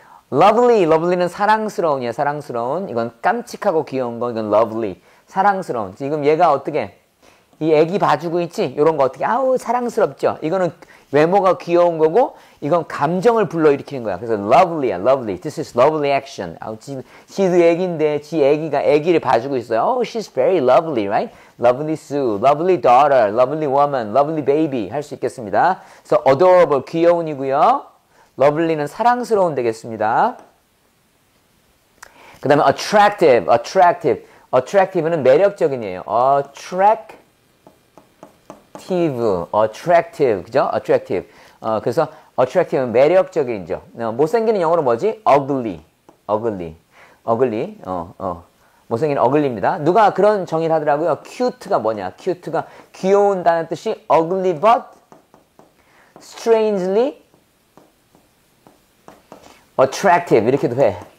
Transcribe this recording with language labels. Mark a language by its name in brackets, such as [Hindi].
[Korean] lovely, lovely는 사랑스러운이야, 사랑스러운. 이건 깜찍하고 귀여운 거, 이건 lovely. 사랑스러운. 지금 얘가 어떻게, 이 애기 봐주고 있지? 요런 거 어떻게, 아우, 사랑스럽죠? 이거는 외모가 귀여운 거고, 이건 감정을 불러일으키는 거야. 그래서 lovely야, lovely. [English] This is lovely action. [Korean] 아우, 지도 애기인데, 지 애기가 애기를 봐주고 있어요. [English] Oh, she's very lovely, right? lovely Sue, lovely daughter, lovely woman, lovely baby. [Korean] 할 수 있겠습니다. [English] So adorable, [Korean] 귀여운이고요. lovely는 사랑스러운 되겠습니다. 그 다음에 attractive, attractive. attractive는 매력적인이에요. attractive, attractive. 그죠? attractive. 그래서 attractive는 매력적인이죠. 못생기는 영어로 뭐지? ugly, ugly, ugly. 못생기는 ugly입니다. 누가 그런 정의를 하더라고요. cute가 뭐냐? cute가 귀여운다는 뜻이 [English] ugly but strangely attractive [Korean] 이렇게도 해.